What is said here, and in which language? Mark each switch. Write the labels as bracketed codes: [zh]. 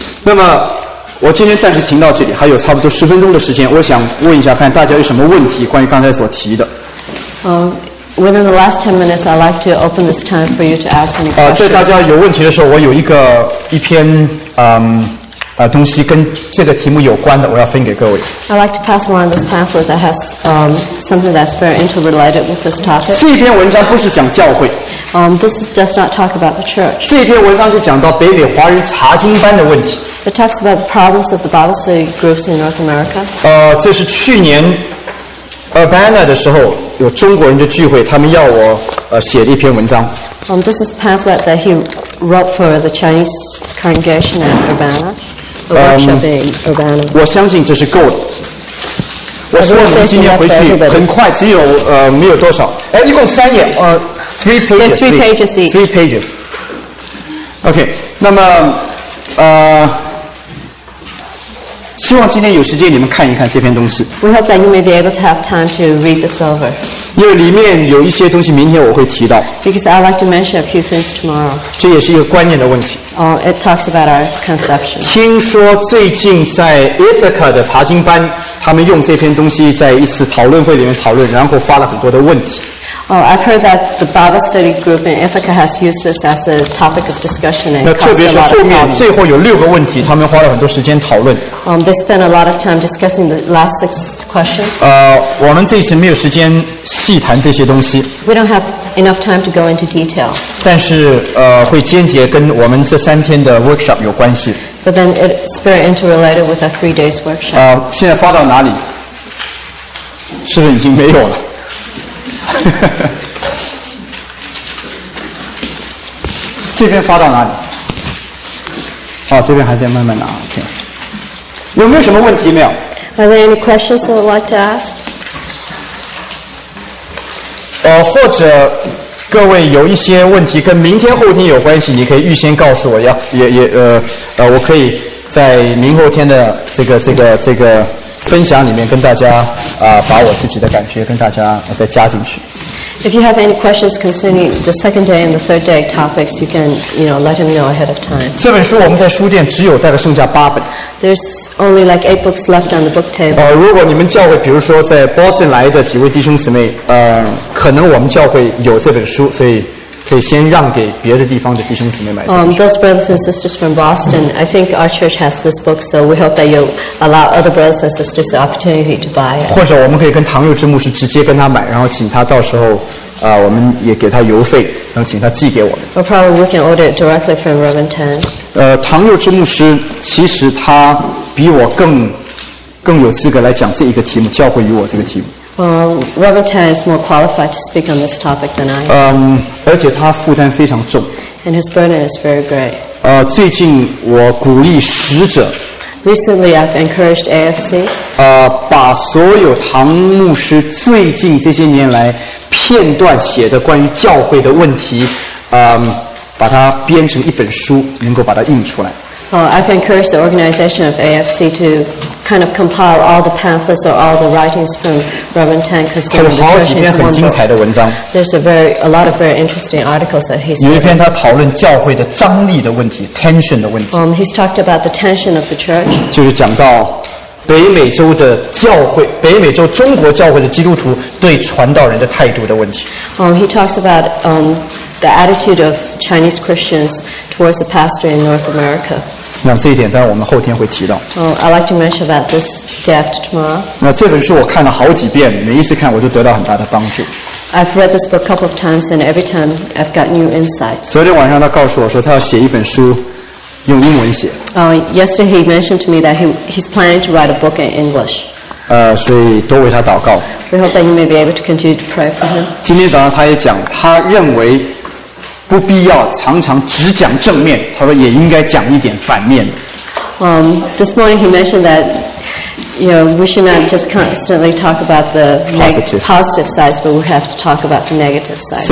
[zh] 那么我今天暂时停到这里，还有差不多十分钟的时间，我想问一下，看大家有什么问题关于刚才所提的。 [en] Within the last 10 minutes, I'd like to open this time for you to ask any questions. [zh] 在大家有问题的时候，我有一篇东西跟这个题目有关的，我要分给各位。 [en] I'd like to pass along this pamphlet that has something that's very interrelated with this topic. [zh] 这篇文章不是讲教会。 [en] This does not talk about the church. [zh] 这篇文章是讲到北美华人查经班的问题。 [en] It talks about the problems of the Bible study groups in North America. [zh] 这是去年。 Urbana 的时候有中国人的聚会他们要我写了一篇文章 [en] This is a pamphlet that he wrote for the Chinese congregation at Urbana a workshop in Urbana [zh] 我相信这是够的我希望你们今天回去很快只有没有多少一共三页 [en] three pages There's three pages each three pages OK [zh] 那么希望今天有时间你们看一看这篇东西。 [en] We hope that you may be able to have time to read this over. [zh] 因为里面有一些东西，明天我会提到。 [en] Because I'd like to mention a few things tomorrow. [zh] 这也是一个观念的问题。 [en] It talks about our conception. [zh] 听说最近在 Ithaca 的查经班，他们用这篇东西在一次讨论会里面讨论，然后发了很多的问题。 [en] I've heard that the Bible study group in Ithaca has used this as a topic of discussion and caused a lot of problems. [zh] 那特别是后面最后有六个问题，他们花了很多时间讨论。 [en] They spent a lot of time discussing the last six questions. [zh] 我们这一次没有时间细谈这些东西。 [en] We don't have enough time to go into detail. [zh] 但是会间接跟我们这三天的 workshop 有关系。 [en] But then it's very interrelated with our 3 days workshop. [zh] 现在发到哪里？是不是已经没有了？这边发到哪里？这边还在慢慢拿。Okay. 有没有什么问题没有 [en] ？Are there any questions you would like to ask？ [zh] 或者各位有一些问题跟明天后天有关系，你可以预先告诉我要，我可以在明后天的这个分享里面跟大家把我自己的感觉跟大家再加进去。 [en] If you have any questions concerning the second day and the third day topics, you can, you know, let him know ahead of time. [zh] 这本书我们在书店只有大概剩下八本。 [en] There's only like 8 books left on the book table. [zh] 如果你们教会，比如说在 Boston 来的几位弟兄姊妹，可能我们教会有这本书，所以可以先让给别的地方的弟兄姊妹买。 [en] Those brothers and sisters from Boston, I think our church has this book, so we hope that you'll allow other brothers and sisters the opportunity to buy it. [zh] 或者我们可以跟唐佑智牧师直接跟他买，然后请他到时候，我们也给他邮费，然后请他寄给我们。 [en] Or probably we can order it directly from Reverend Tan. [zh] 唐佑智牧师其实他比我更有资格来讲这一个题目，教会与我这个题目。 [en] Reverend Tan is more qualified to speak on this topic than I am. [zh] 而且他负担非常重。 [en] And his burden is very great. [zh] 最近我鼓励使者。 [en] Recently, I've encouraged AFC. [zh] 把所有唐牧师最近这些年来片段写的关于教会的问题，把它编成一本书，能够把它印出来。 [en] I've encouraged the organization of AFC to kind of compile all the pamphlets or all the writings from Reverend Tan concerning the church. There's a lot of very interesting articles that he's written. [zh] 有一篇他讨论教会的张力的问题 ，tension 的问题。 [en] He's talked about the tension of the church. [zh] 就是讲到北美洲的教会，北美洲中国教会的基督徒对传道人的态度的问题。 [en] He talks about the attitude of Chinese Christians towards the pastor in North America. [zh] 那这一点当然我们后天会提到。 [en] I'd like to mention about this day after tomorrow. [zh] 那这本书我看了好几遍，每一次看我都得到很大的帮助。 [en] I've read this book a couple of times and every time I've got new insights. [zh] 昨天晚上他告诉我说他要写一本书用英文写。 [en] Yesterday he mentioned to me that he's planning to write a book in English. [zh] 所以多为他祷告。 [en] We hope that you may be able to continue to pray for him. [zh] 今天早上他也讲他认为不必要常常只讲正面，他说也应该讲一点反面。 [en] This morning he mentioned that, you know, we should not just constantly talk about the positive sides, but we have to talk about the negative sides.